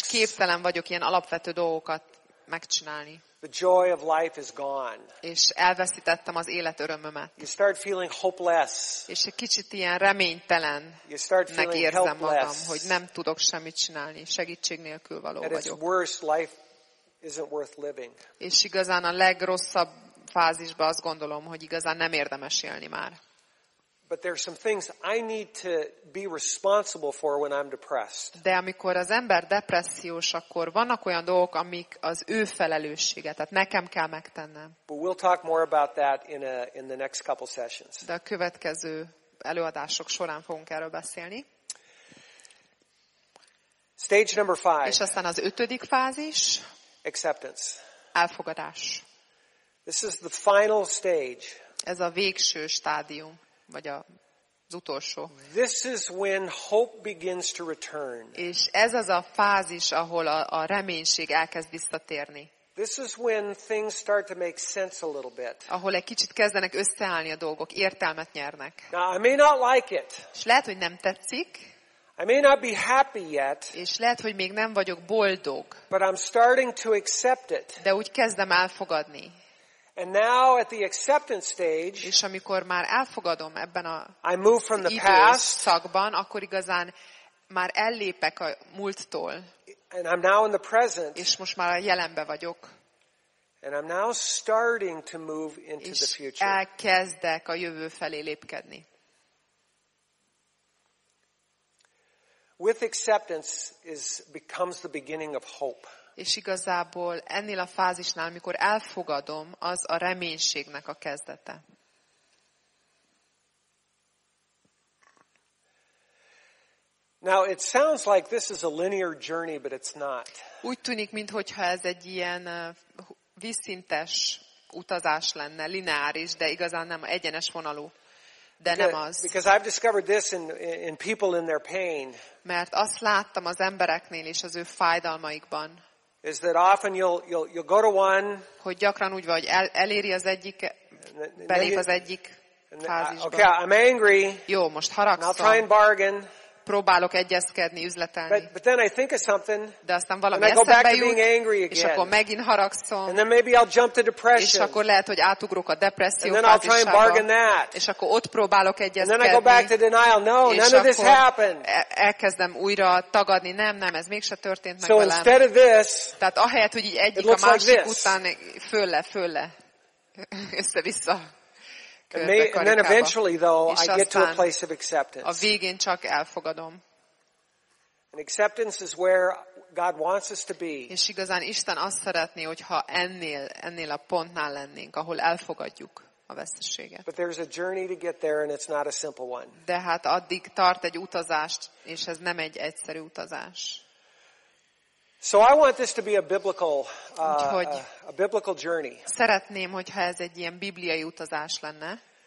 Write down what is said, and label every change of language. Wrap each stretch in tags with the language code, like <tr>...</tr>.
<hu>És képtelen vagyok ilyen alapvető dolgokat megcsinálni.</hu> <en>The joy of life is gone.</en> <hu>És elvesztettem az élet örömömet.</hu> <en>You start feeling hopeless.</en> <hu>És egy kicsit ilyen reménytelen.</hu> <en>You start feeling helpless.</en> <hu>Megérzem magam, hogy nem tudok semmit csinálni, segítség nélkül való</hu> <en>At</en> <hu>vagyok.</hu> <en>At its worst, life isn't worth living.</en> <hu>És igazán a legrosszabb fázisban azt gondolom, hogy igazán nem érdemes élni már.</hu> <en>But there are some things I need to be responsible for when I'm depressed.</en> <hu>De amikor az ember depressziós, akkor vannak olyan dolgok, amik az ő felelőssége, tehát nekem kell megtennem.</hu> <en>But we'll talk more about that in the next couple sessions.</en> <hu>De a következő előadások során fogunk erről beszélni.</hu> <en>Stage number five.</en> <hu>És aztán az ötödik fázis.</hu> <en>Acceptance.</en> <hu>Elfogadás.</hu> <en>This is the final stage.</en> <hu>Ez a végső stádium. Vagy az utolsó.</hu> <en>This is when hope begins to return.</en> <hu>És ez az a fázis, ahol a reménység elkezd visszatérni.</hu> <en>This is when things start to make sense a little bit.</en> <hu>Ahol egy kicsit kezdenek összeállni a dolgok, értelmet nyernek.</hu> <en>Now, I may not like it.</en> <hu>És lehet, hogy nem tetszik.</hu> <en>I may not be happy yet.</en> <hu>És lehet, hogy még nem vagyok boldog.</hu> <en>But I'm starting to accept it.</en> <hu>De úgy kezdem elfogadni.</hu> <en>And now at the acceptance stage,</en> <hu>és amikor már elfogadom ebben a időszakban, akkor igazán már ellépek a múlttól.</hu> <en>And I'm now in the present,</en> <hu>és most már a jelenbe vagyok.</hu> <en>And I'm now starting to move into</en> <hu>és</hu> <en>the future.</en> <hu>Elkezdek a jövő felé lépkedni.</hu> <en>With acceptance is becomes the beginning of hope.</en> <hu>És igazából ennél a fázisnál, amikor elfogadom, az a reménységnek a kezdete.</hu> <en>Now it sounds like this is a linear journey, but it's not.</en> <hu>Úgy tűnik, mintha ez egy ilyen vízszintes utazás lenne, lineáris, de igazán nem egyenes vonalú. De nem az.</hu> <en>Because I've discovered this in people in their pain.</en> <hu>Mert azt láttam az embereknél és az ő fájdalmaikban.</hu> <en>Is that often you'll go to one,</en> <hu>hogy gyakran úgy vagy eléri az egyik, belép az egyik fázisba.</hu> <en>Okay, I'm angry.</en> <hu>Jó, most haragszom.</hu> <en>I'll try and bargain.</en> <hu>Próbálok egyezkedni, üzletelni.</hu> <en>But then I think of something.</en> <hu>De aztán valami eszembe jut.</hu> <en>And I go back to being angry again.</en> <hu>És akkor megint haragszom.</hu> <en>And then maybe I'll jump to depression.</en> <hu>És akkor lehet, hogy átugrok a depresszió fázisába.</hu> <en>And then I'll try and bargain that.</en> <hu>És akkor ott próbálok egyezkedni.</hu> <en>And then I go back to denial. No, none of this happened.</en> <hu>Elkezdem újra tagadni. Nem, ez mégse történt meg velem.</hu> <en>So instead of this,</en> <hu>tehát ahelyett, hogy így egyik a másik után fölle, össze-vissza.</hu> <en>And then eventually, though, I get to a place of acceptance.</en> <hu>A végén csak elfogadom.</hu> <en>And acceptance is where God wants us to be.</en> <hu>És igazán Isten azt szeretné, hogyha ennél a pontnál lennénk, ahol elfogadjuk a veszteséget.</hu> <en>But there's a journey to get there, and it's not a simple one.</en> <hu>De hát addig tart egy utazást, és ez nem egy egyszerű utazás.</hu> <en>So I want this to be a biblical journey.</en> <hu>Szeretném, hogyha ez egy ilyen bibliai utazás lenne.</hu>